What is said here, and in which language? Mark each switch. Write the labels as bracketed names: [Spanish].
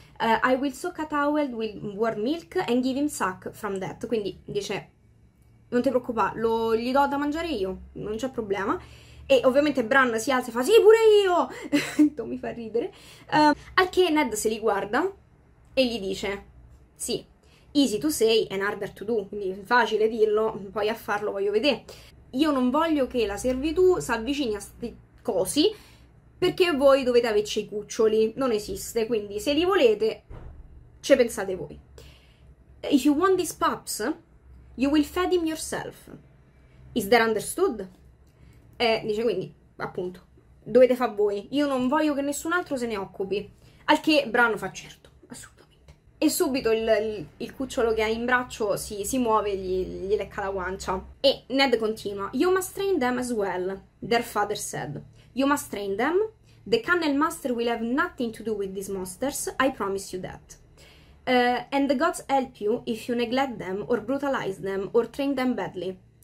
[English] I will soak a towel with warm milk and give him suck from that. [Italian] Quindi dice: Non ti preoccupare, gli do da mangiare io, non c'è problema. E ovviamente Bran si alza e fa: Sì, pure io! Tanto mi fa ridere. Al che Ned se li guarda e gli dice: Sì, [English] easy to say and harder to do. [Italian] Quindi è facile dirlo, poi a farlo voglio vedere. Io non voglio che la servitù si avvicini a sti cosi perché voi dovete averci i cuccioli. Non esiste, quindi se li volete, ci pensate voi. [English] If you want these pups, you will feed him yourself. Is that understood? [Italian] Dice quindi, appunto, dovete far voi, io non voglio che nessun altro se ne occupi. Al che Bran fa: certo, assolutamente. E subito il cucciolo che ha in braccio si muove e gli lecca la guancia. E Ned continua: [English] You must train them as well, their father said. You must train them. The Kennel Master will have nothing to do with these monsters, I promise you that. And the gods help you if you neglect them or brutalize them or train them badly.